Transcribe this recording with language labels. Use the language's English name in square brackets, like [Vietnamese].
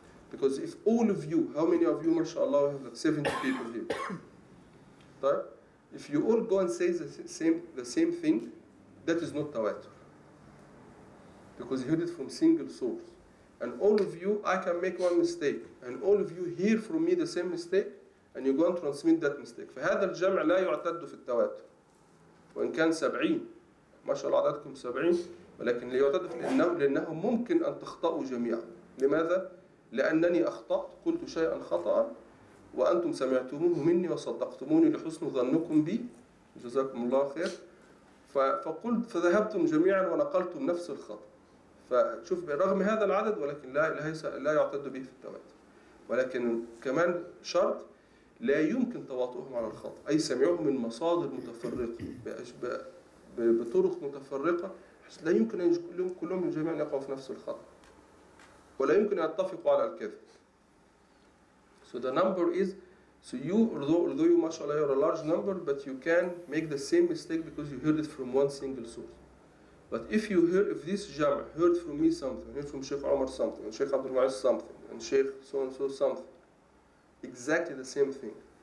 [English] Because if all of you, how many of you, mashallah, have like 70 people here? Right? If you all go and say the same thing, that is not tawatur. Because you heard it from single source. And all of you, I can make one mistake. And all of you hear from me the same mistake, and you go and transmit that mistake. [Arabic] فهذا الجمع لا يعتد في التواتر. وإن كان 70، ما شاء الله عددكم 70، ولكن ليعتد في النوم لأنه ممكن أن تخطأوا جميعا. لماذا؟ لأنني أخطأت، قلت شيئا خطأ، وأنتم سمعتموه مني وصدقتموني لحسن ظنكم بي، جزاكم الله خير. فقلت فذهبتم جميعا ونقلتم نفس الخطأ. فشوف برغم هذا العدد ولكن لا يعتد به في التواتر. ولكن كمان شرط لا يمكن تواطؤهم على الخطأ، أي سمعوهم من مصادر متفرقة بطرق متفرقة، لا يمكن أن كلهم من جميع يقعوا في نفس الخطأ. ولا يمكن أن يتفقوا على الكذب. [English] So the number is, so you, although you mashallah you're a large number, but you can make the same mistake because you heard it from one single source. But if you hear, if this jama' heard from me something, heard from Sheikh Omar something, and Sheikh Abdul Ma'iz something, and Sheikh so-and-so something, exactly the same thing.